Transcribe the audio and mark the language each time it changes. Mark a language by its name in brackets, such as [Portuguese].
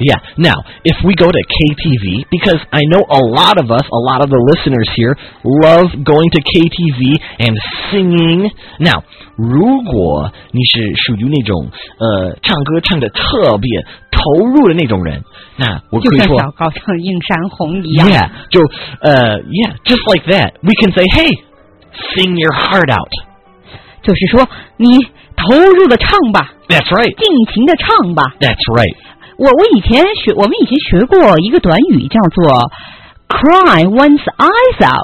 [English] Yeah, now, if we go to KTV, because I know a lot of us, a lot of the listeners here, love going to KTV and singing. [Chinese] Now, 如果你是属于那种、唱歌唱得特别投入的那种人，那我可以说，就像小高唱映山红一样。 [English] Yeah, 就、yeah, just like that, we can say, hey, sing your heart out. [Chinese] 就是说你投入的唱吧 [English] That's right [Chinese] 尽情的唱吧 [English] That's right [Chinese] 我们以前学过一个短语叫做 Cry one's eyes out、